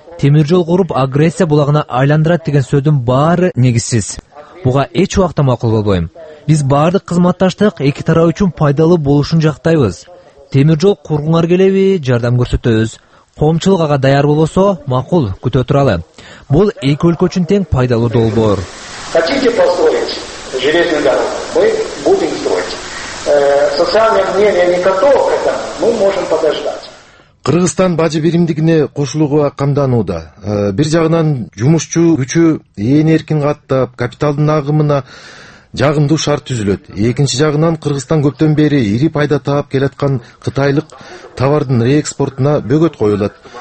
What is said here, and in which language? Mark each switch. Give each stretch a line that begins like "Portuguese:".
Kyrgyz: Темир жол куруп агрессия булагына айландырат деген сөздүн баары негизсиз. Буга эч убакта макул болбойм. Биз баардык кызматташтык эки тарап үчүн пайдалуу болушун жактайбыз. Темир жол кургуңар келеби, жардам көрсөтөбүз. Коомчулук ага даяр болсо, макул, күтө туралы. Бул эки өлкө үчүн тең пайдалуу долбоор.
Russian: Хотите построить железную дорогу? Мы будем строить. Социальное мнение не готово к этому, мы можем подождать.
Kyrgyz: Кыргызстан бажы биримдигине кошулууга камданууда. Бир жагынан жумушчу күчү ээн эркин каттап, капиталдын агымына жагымдуу шарт түзүлөт. Экинчи жагынан Кыргызстан көптөн бери ири пайда таап келаткан кытайлык товардын реэкспортуна бөгөт коюлат.